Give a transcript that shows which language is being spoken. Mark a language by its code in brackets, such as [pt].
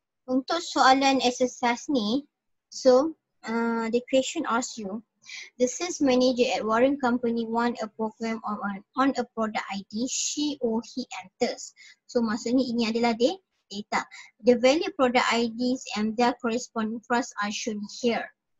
[ms] Untuk soalan exercise ni, [en] so the question asks you, the sales manager at Warren Company want a program on a product ID she or he enters. [ms] So maksudnya ini adalah data. [en] The value product IDs and their corresponding files are shown here.